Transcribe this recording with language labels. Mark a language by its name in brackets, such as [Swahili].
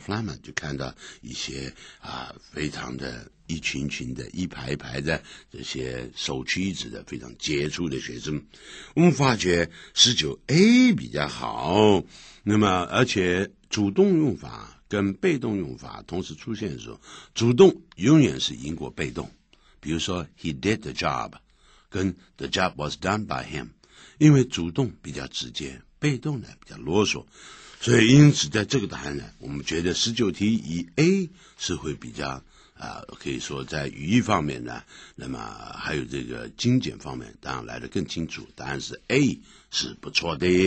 [Chinese] Flamman 就看到一些啊，非常的一群群的、一排一排的这些首屈一指的、非常杰出的学生。我们发觉19A 比较好，那么而且主动用法跟被动用法同时出现的时候，主动永远是赢过被动。 [English] 比如说 ，He did the job， 跟 The job was done by him。 [Chinese] 因为主动比较直接，被动呢比较啰嗦，所以因此在这个答案呢，我们觉得19题以 A 是会比较可以说在语义方面呢，那么还有这个精简方面当然来得更清楚，答案是 A 是不错的。